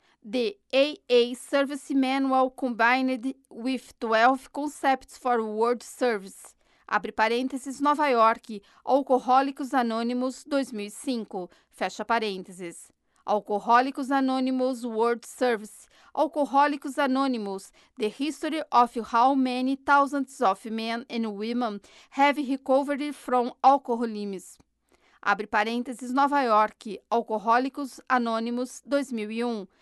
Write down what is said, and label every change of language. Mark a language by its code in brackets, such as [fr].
[en] The AA Service Manual combined with 12 Concepts for World Service. [pt] Abre parênteses, Nova York, Alcoólicos Anônimos 2005. Fecha parênteses. Alcoólicos Anônimos World Service. Alcoólicos Anônimos. [en] The History of How Many Thousands of Men and Women Have Recovered from Alcoholism. [pt] Abre parênteses, Nova York, Alcoólicos Anônimos 2001.